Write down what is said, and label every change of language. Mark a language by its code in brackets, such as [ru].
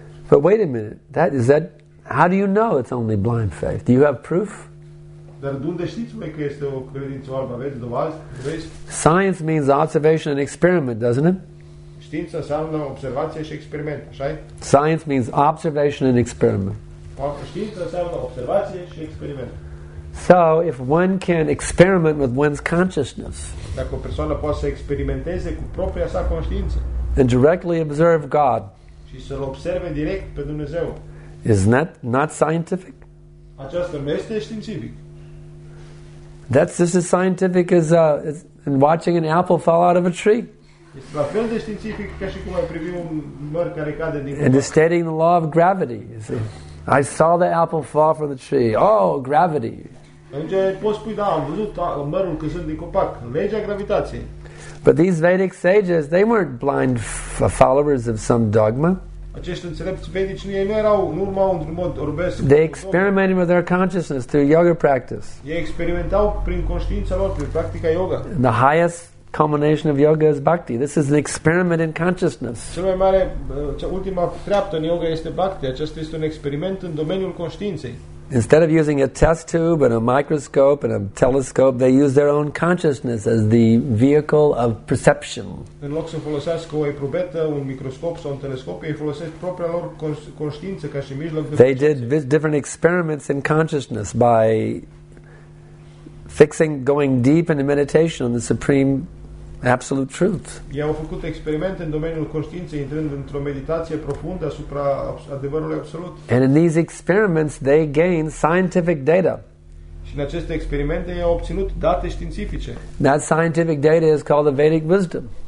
[en] But wait a minute, is that how do you know it's only blind faith? Do you have proof? [ro] Dar de unde știți mai că este o credință albă? Aveți dovezi? [en] Science means observation and experiment, doesn't it? [ro] Știința înseamnă observație și experiment, așa-i? [en] Science means observation and experiment. [ro] Știința înseamnă observație și experiment. [en] So, if one can experiment with one's consciousness, [ro] dacă o persoană poate să experimenteze cu propria sa conștiință, [en] and directly observe God, [ro] și să-L observe direct pe Dumnezeu, [en] isn't that not scientific? [ro] Aceasta nu este științific. [en] That's just as scientific as in watching an apple fall out of a tree. [ro] Este la fel de științific ca și cum ai privi un măr care cade din. [en] And is stating the law of gravity. You see. I saw the apple fall from the tree. Oh, gravity. [ro] Înge, poți spui, da, am văzut mărul căzând din copac. Legea gravitației. [en] But these Vedic sages, they weren't blind followers of some dogma. [ro] Acești înțelepți vedici nu erau în urma într-un mod orbesc. [en] They experimented with their consciousness through yoga practice. [ro] Ei experimentau prin conștiința lor, prin practica yoga. [en] The highest combination of yoga is bhakti. This is an experiment in consciousness. [ro] Cea mai mare, cea ultima treaptă în yoga este bhakti. Acesta este un experiment în domeniul conștiinței. [en] Instead of using a test tube and a microscope and a telescope, they use their own consciousness as the vehicle of perception. [ro] În loc să folosească o probetă, un microscop sau un telescop, ei folosesc propria lor conștiință ca și mijloc de. [en] They did different experiments in consciousness by fixing, going deep into meditation on the supreme absolute truth. [ro] Ei au făcut experimente în domeniul conștiinței, intrând într-o meditație profundă asupra adevărului absolut. [en] And in these experiments, they gain scientific data. [ro] Și în aceste experimente au obținut date științifice. [en] That scientific data is called the Vedic wisdom.